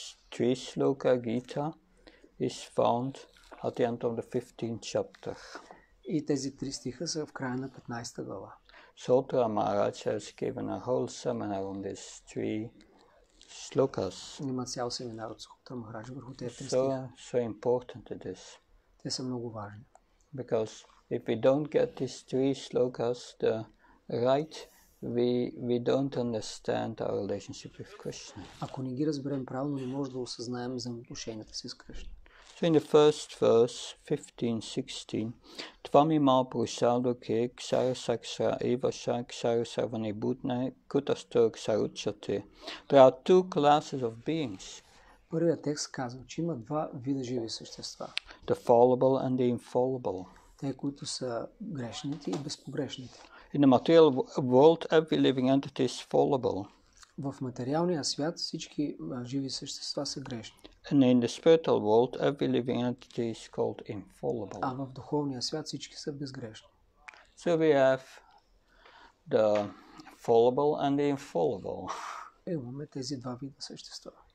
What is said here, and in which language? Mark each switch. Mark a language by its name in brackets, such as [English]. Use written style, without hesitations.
[English] Трислока Гита is found at the end of the 15th chapter. [Bulgarian] И тези три стиха са в края на 15-та глава. [English] Sutra Maharaj has given a whole seminar on these three slokas. [Bulgarian] Има цял семинар от Sutra Maharaj върху тези три [English] стиха. So important it is. [Bulgarian] Те са много важни. [English] Because if we don't get these three slokas the right, we don't understand our relationship with Krishna. [Bulgarian] Ако не ги разберем правилно, не можем да осъзнаем взаимоотношенията си с Кришна. [English] So in the first verse, 15-16, [Sanskrit] Tvami mao prusado ke ksarasaksra evasa ksarasarvani bhutna kutasto ksaruchate. [English] There are two classes of beings. [Bulgarian] Първият текст казва, че има два вида живи същества. [English] The fallible and the infallible. [Bulgarian] Те, които са грешните и безпогрешните. [English] In the material world, every living entity is fallible. [Bulgarian] В материалния свят всички живи същества са грешни. [English] And in the spiritual world, every living entity is called infallible. [Bulgarian] А в духовния свят всички са безгрешни. [English] So we have the fallible and the infallible. [Bulgarian] Имаме тези два вида същества.